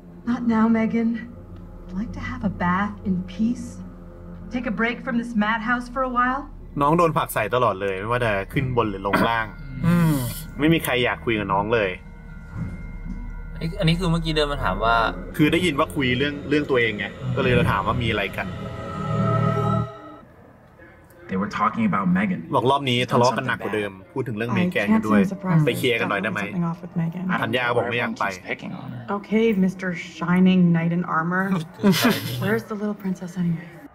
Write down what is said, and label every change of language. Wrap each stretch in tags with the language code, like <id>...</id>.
<en>not now Megan I'd like to have a bath in peace take a break from this madhouse for a while</en> <th>น้องโดนผักใส่ตลอดเลยไม่ว่าจะขึ้นบนหรือลงล่างไม่มีใครอยากคุยกับน้องเลย อันนี้คือเมื่อกี้เดินมาถามว่า คือได้ยินว่าคุยเรื่องตัวเองไงก็เลยเราถามว่ามีอะไรกัน</th> <en>They were talking about Megan</en> <th>บอกรอบนี้ทะเลาะกันหนักกว่าเดิมพูดถึงเรื่องเมแกนด้วยไปเคลียร์กันหน่อยได้ไหมทันยาบอกไม่อยากไป</th> <en>Okay Mr. Shining Knight in Armor Where's the little princess anyway</en>